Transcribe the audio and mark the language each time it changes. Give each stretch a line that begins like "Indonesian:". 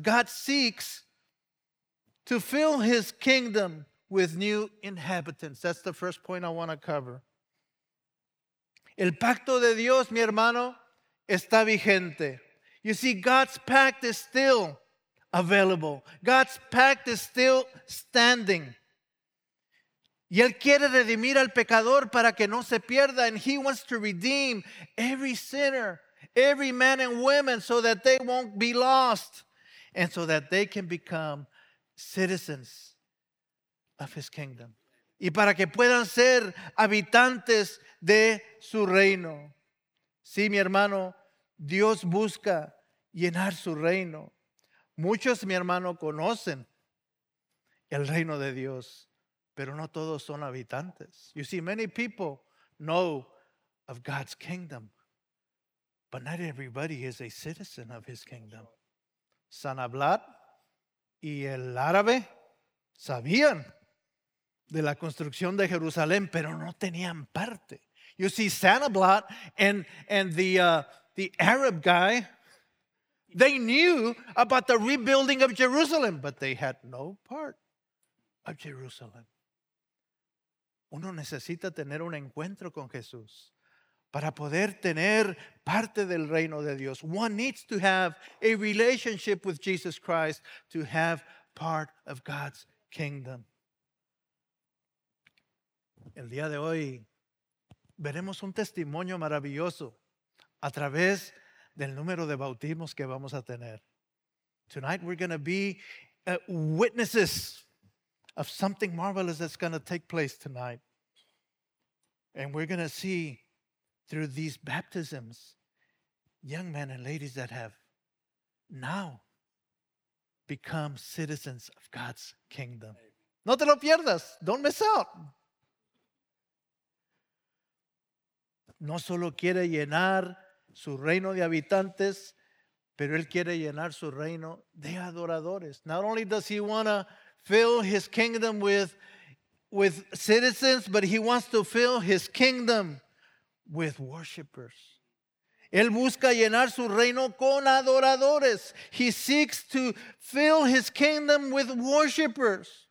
English: God seeks to fill his kingdom with new inhabitants. That's the first point I want to cover.
Spanish: El pacto de Dios, mi hermano, está vigente.
English: You see, God's pact is still available. God's pact is still standing.
Spanish: Y él quiere redimir al pecador para que no se pierda.
English: And he wants to redeem every sinner, every man and woman, so that they won't be lost and so that they can become citizens of his kingdom.
Spanish: Y para que puedan ser habitantes de su reino. Sí, mi hermano, Dios busca llenar su reino. Muchos, mi hermano, conocen el reino de Dios, pero no todos son habitantes.
English: You see, many people know of God's kingdom, but not everybody is a citizen of his kingdom.
Spanish: San hablar y el árabe Sabían de la construcción de Jerusalén, pero no tenían parte.
English: You see, Sanballat and the Arab guy, they knew about the rebuilding of Jerusalem, but they had no part of Jerusalem.
Spanish: Uno necesita tener un encuentro con Jesús para poder tener parte del reino de Dios.
English: One needs to have a relationship with Jesus Christ to have part of God's kingdom.
Spanish: El día de hoy veremos un testimonio maravilloso a través del número de bautismos que vamos a tener.
English: Tonight we're going to be witnesses of something marvelous that's going to take place tonight. And we're going to see through these baptisms, young men and ladies that have now become citizens of God's kingdom.
Spanish: No te lo pierdas.
English: Don't miss out.
Spanish: No solo quiere llenar su reino de habitantes, pero él quiere llenar su reino de adoradores.
English: Not only does he want to fill his kingdom with citizens, but he wants to fill his kingdom with worshipers.
Spanish: Él busca llenar su reino con adoradores.
English: He seeks to fill his kingdom with worshipers.